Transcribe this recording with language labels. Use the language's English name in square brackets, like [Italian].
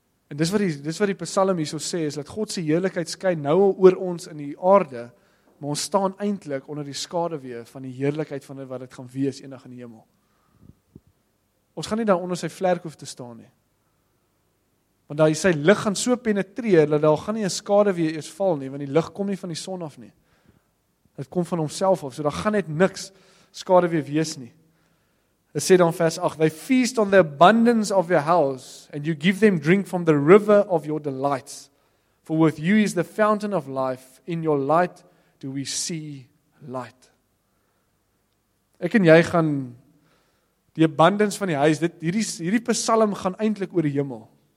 [Afrikaans] En dis wat die psalm hier so sê, is dat God se heerlikheid skyn nou al oor ons in die aarde, maar ons staan eintlik onder die skaduwee van die heerlikheid van wat dit gaan wees eendag in die hemel. Ons gaan nie daar onder sy vlerk hoef te staan nie. Want daar sy lig gaan so penetreer, dat daar gaan nie 'n skaduwee eers val nie, want die lig kom nie van die son af nie. Dit kom van homself af, so daar gaan net niks skaduwee wees nie. Dit sê dan vers 8, [English] They feast on the abundance of your house, and you give them drink from the river of your delights. For with you is the fountain of life, in your light do we see light. [Afrikaans] Ek en jy gaan, die abundance van die huis, hierdie psalm gaan eintlik oor die hemel.